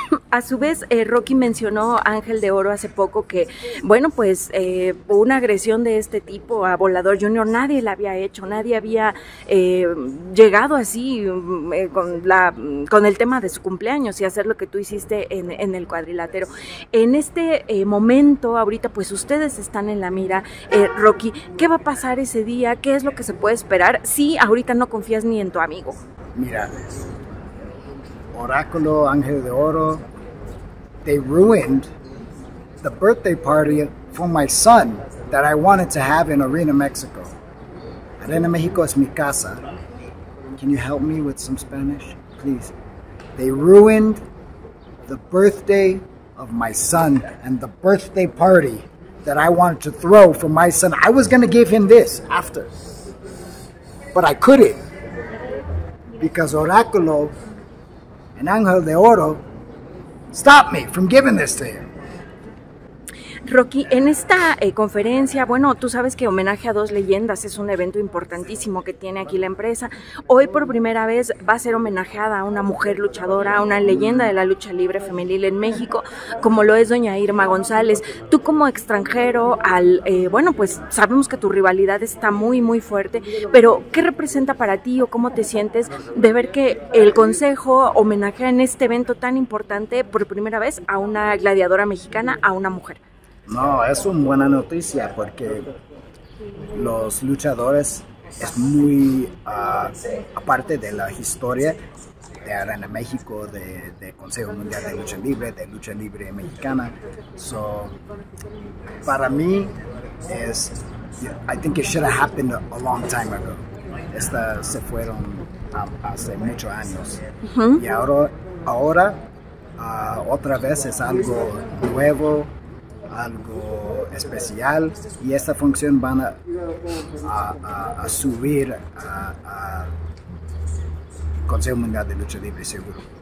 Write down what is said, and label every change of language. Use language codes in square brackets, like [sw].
[es] A su vez, Rocky mencionó a Ángel de Oro hace poco que, bueno, pues una agresión de este tipo a Volador Junior nadie la había hecho, nadie había llegado así con el tema de su cumpleaños y hacer lo que tú hiciste en el cuadrilátero. En este momento, ahorita, pues ustedes están en la mira. Rocky, ¿qué va a pasar ese día? ¿Qué es lo que se puede esperar si ahorita no confías ni en tu amigo? [en] Mira, Oráculo, Ángel de Oro, they ruined the birthday party for my son that I wanted to have in Arena Mexico. Arena Mexico [es] es mi casa. [en] Can you help me with some Spanish, please? They ruined the birthday of my son and the birthday party that I wanted to throw for my son. I was going to give him this after, but I couldn't because Oráculo and Ángel de Oro stop me from giving this to you. [es] Rocky, en esta conferencia, bueno, tú sabes que Homenaje a Dos Leyendas es un evento importantísimo que tiene aquí la empresa. Hoy por primera vez va a ser homenajeada a una mujer luchadora, a una leyenda de la lucha libre femenil en México, como lo es doña Irma González. Tú como extranjero, sabemos que tu rivalidad está muy, muy fuerte, pero ¿qué representa para ti o cómo te sientes de ver que el Consejo homenajea en este evento tan importante por primera vez a una gladiadora mexicana, a una mujer? No, es una buena noticia porque los luchadores es muy aparte de la historia de Arena México, de Consejo Mundial de Lucha Libre, de Lucha Libre Mexicana. [en] So, [es] para mí es, [en] I think it should have happened a long time ago. [es] Estas se fueron hace muchos años. Y ahora otra vez es algo nuevo, algo especial, y esta función van a subir a Consejo Mundial de Lucha Libre, seguro.